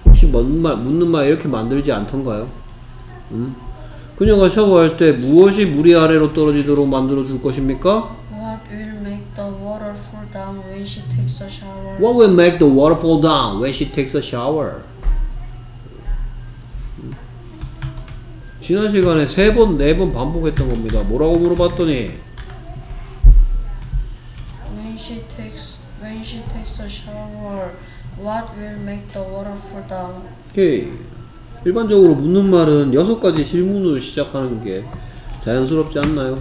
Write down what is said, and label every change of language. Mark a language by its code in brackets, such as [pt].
[ko] 묻는 말 이렇게 만들지 않던가요? 그녀가 샤워할 때 무엇이 물이 아래로 떨어지도록 만들어 줄 것입니까? [en] What will make the water fall down when she takes a shower? What will make the water fall down when she takes a shower? [ko] 지난 시간에 세 번, 네 번 반복했던 겁니다. 뭐라고 물어봤더니 [en] When she takes a shower, what will make the water fall down? [ko] 일반적으로 묻는 말은 여섯 가지 질문으로 시작하는 게 자연스럽지 않나요?